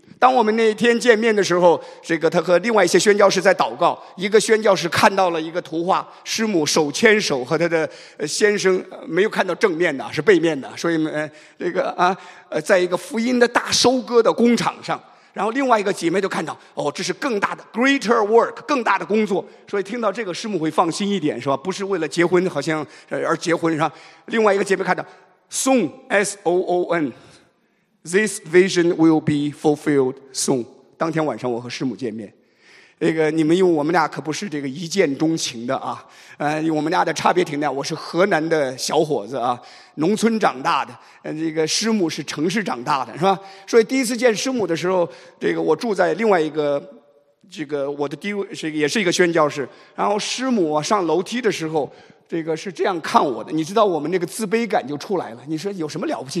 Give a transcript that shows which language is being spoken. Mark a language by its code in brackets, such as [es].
[zh] 当我们那天见面的时候，这个他和另外一些宣教士在祷告，一个宣教士看到了一个图画，师母手牵手和他的先生，没有看到正面的，是背面的，所以这个啊，在一个福音的大收割的工厂上，然后另外一个姐妹就看到，哦，这是更大的 [en] greater work， [zh] 更大的工作，所以听到这个师母会放心一点，是吧？不是为了结婚好像而结婚是吧？另外一个姐妹看到 [en] soon s o o n。 This vision will be fulfilled soon. [zh] 当天晚上我和师母见面。这个你们用我们俩可不是这个一见钟情的啊。我们俩的差别挺大，我是河南的小伙子啊，农村长大的，这个师母是城市长大的是吧？所以第一次见师母的时候，这个我住在另外一个这个我的地位是也是一个宣教士，然后师母上楼梯的时候这个是这样看我的，你知道我们那个自卑感就出来了。你说有什么了不起？